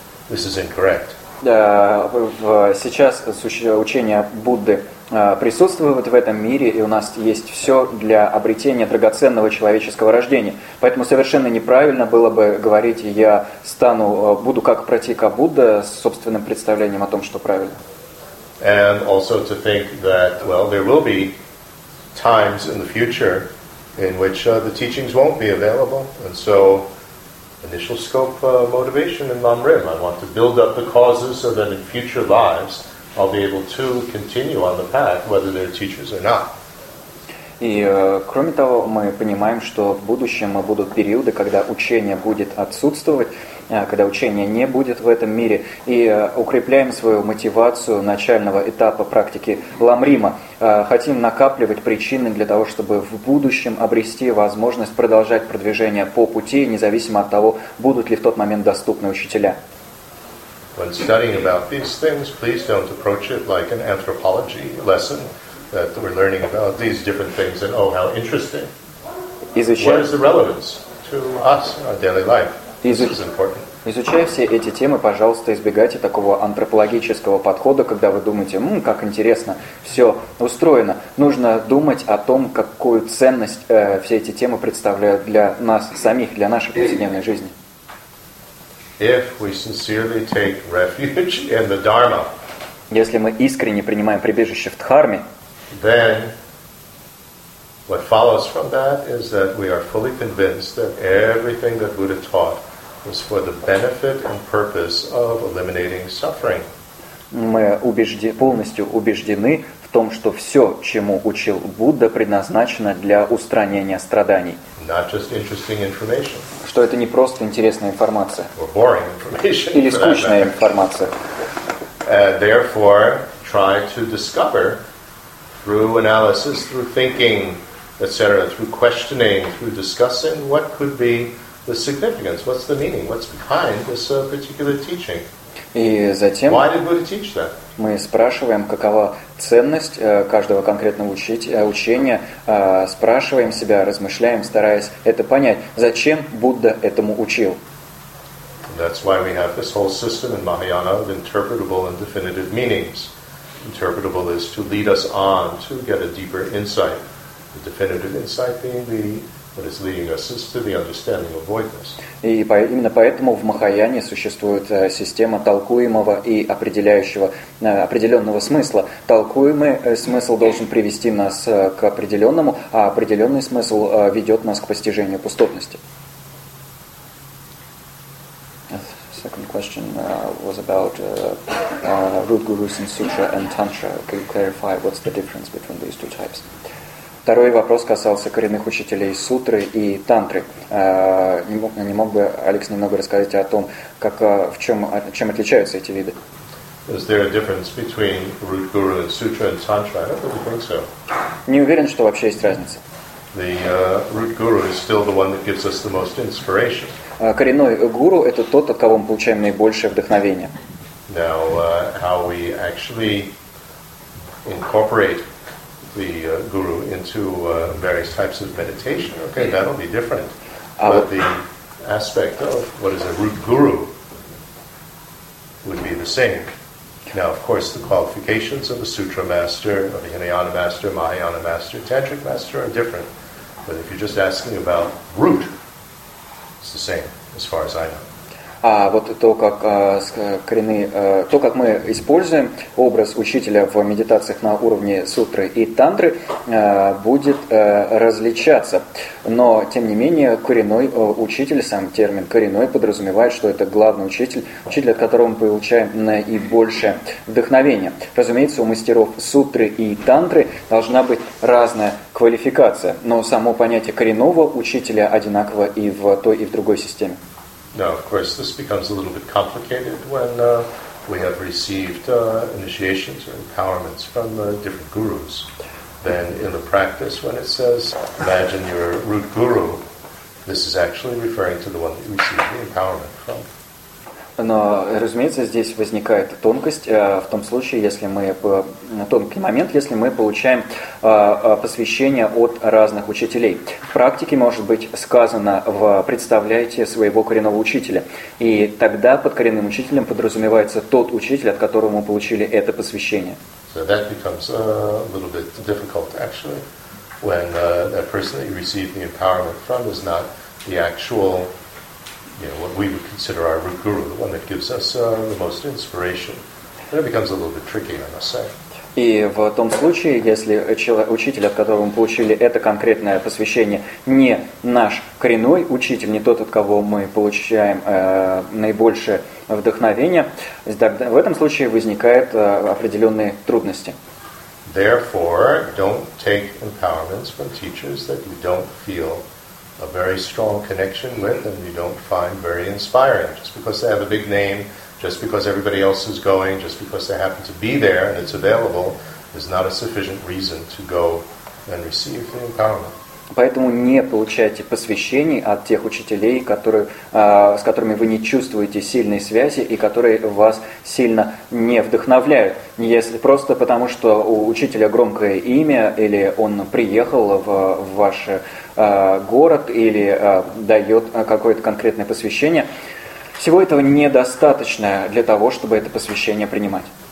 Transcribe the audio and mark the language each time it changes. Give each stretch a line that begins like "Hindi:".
English: This is incorrect.
Russian: Сейчас учение Будды присутствует в этом мире, и у нас есть все для обретения драгоценного человеческого рождения. Поэтому совершенно неправильно было бы говорить, я стану, буду как пратика Будда с собственным представлением о том, что правильно.
English: And also to think that, well, there will be times in the future in which the teachings won't be available, and so initial scope motivation in Lam Rim. I want to build up the causes so that in future lives I'll be able to continue on the path, whether they're teachers or not.
Russian: И кроме того, мы понимаем, что в будущем будут периоды, когда учение будет отсутствовать, когда учения не будет в этом мире, и укрепляем свою мотивацию начального этапа практики Ламрима. Хотим накапливать причины для того, чтобы в будущем обрести возможность продолжать продвижение по пути, независимо от того, будут ли в тот момент доступны учителя.
English: When studying about these things, please don't approach it like an anthropology lesson. That we're learning about these different things, and oh, how interesting! What is the relevance to us in our daily life? This is important.
Russian: Изучая все эти темы, пожалуйста, избегайте такого антропологического подхода, когда вы думаете, как интересно все устроено. Нужно думать о том, какую ценность все эти темы представляют для нас самих, для нашей повседневной жизни.
English: If we sincerely take refuge in the Dharma,
Russian: если мы искренне принимаем прибежище в Дхарме.
English: Then, what follows from that is that we are fully convinced that everything that Buddha taught was for the benefit and purpose of eliminating suffering.
Russian: Мы полностью убеждены в том, что все, чему учил Будда, предназначено для устранения страданий.
English: Not just interesting information.
Russian: Что это не просто интересная информация.
English: Or boring information.
Russian: Или скучная информация.
English: And therefore, try to discover. Through analysis, through thinking, etc., through questioning, through discussing, what could be the significance? What's the meaning? What's behind this particular teaching?
Russian: И затем
English: why did Buddha teach that?
Russian: Мы спрашиваем, какова ценность каждого конкретного учения, спрашиваем себя, размышляем, стараясь это понять, зачем Будда этому учил.
English: That's why we have this whole system in Mahayana of interpretable and definitive meanings. Interpretable is to lead us on to get a deeper insight. The definitive insight being the what is leading us is to the understanding of voidness.
Russian: И именно поэтому в Махаяне существует система толкуемого и определенного смысла. Толкуемый смысл должен привести нас к определенному, а определенный смысл ведет нас к постижению пустотности.
English: Second question was about root gurus in sutra and tantra. Can you clarify what's the difference between these two types?
Russian: Второй вопрос касался коренных учителей сутры и тантры. Не мог бы Алекс немного рассказать о том, как чем отличаются эти виды?
English: Is there a difference between root guru and sutra and tantra? I don't really think so.
Russian: Не уверен, что вообще есть разница.
English: The root guru is still the one that gives us the most inspiration.
Russian: Коренной гуру – это тот, от кого мы получаем наибольшее вдохновение.
English: Now, how we actually incorporate the guru into various types of meditation, okay, that'll be different. But the aspect of what is a root guru would be the same. Now, of course, the qualifications of a sutra master, of a Hinayana master, Mahayana master, Tantric master are different. But if you're just asking about root, it's the same, as far as I know.
Russian: А вот то, как то, как мы используем образ учителя в медитациях на уровне сутры и тантры, будет различаться. Но, тем не менее, коренной учитель, сам термин «коренной» подразумевает, что это главный учитель, учитель, от которого мы получаем наибольшее вдохновение. Разумеется, у мастеров сутры и тантры должна быть разная квалификация, но само понятие коренного учителя одинаково и в той, и в другой системе.
English: Now, of course, this becomes a little bit complicated when we have received initiations or empowerments from different gurus. Then in the practice, when it says, imagine your root guru, this is actually referring to the one that you received the empowerment from.
Russian: Но, разумеется, здесь возникает тонкость в том случае, если мы тонкий момент, если мы получаем посвящение от разных учителей. В практике может быть сказано в «представляете своего коренного учителя». И тогда под коренным учителем подразумевается тот учитель, от которого мы получили это посвящение.
English: So that becomes a little bit difficult, actually, when that person that you received the empowerment from is not the actual... You know, what we would consider our root guru, the one that gives us the most inspiration. Then it becomes a little bit tricky, I must say.
Russian: И в том случае, если учитель, от которого мы получили это конкретное посвящение, не наш коренной учитель, не тот, от кого мы получаем наибольшее вдохновение, тогда в этом случае возникают определенные трудности.
English: Therefore, don't take empowerments from teachers that you don't feel a very strong connection with and you don't find very inspiring. Just because they have a big name, just because everybody else is going, just because they happen to be there and it's available, is not a sufficient reason to go and receive the empowerment.
Russian: Поэтому не получайте посвящений от тех учителей, которые, с которыми вы не чувствуете сильной связи и которые вас сильно не вдохновляют. Если просто потому, что у учителя громкое имя, или он приехал в ваш город, или дает какое-то конкретное посвящение, всего этого недостаточно для того, чтобы это посвящение принимать.